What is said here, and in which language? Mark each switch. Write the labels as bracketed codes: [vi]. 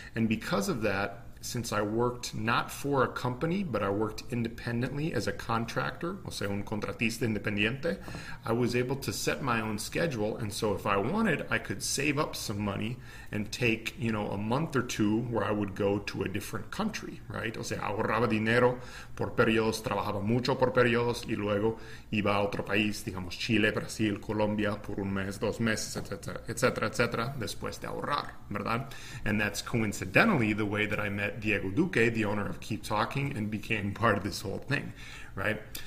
[en] And because of that, since I worked not for a company, but I worked independently as a contractor, [es] o sea, un contratista independiente, [en] I was able to set my own schedule. And so if I wanted, I could save up some money and take, you know, a month or two where I would go to a different country, right? [es] O sea, ahorraba dinero por periodos, trabajaba mucho por periodos, y luego iba a otro país, digamos, Chile, Brasil, Colombia, por un mes, 2 meses, etc., etc., etc., después de ahorrar, ¿verdad? [en] And that's coincidentally the way that I met Diego Duque, the owner of Keep Talking, and became part of this whole thing, right?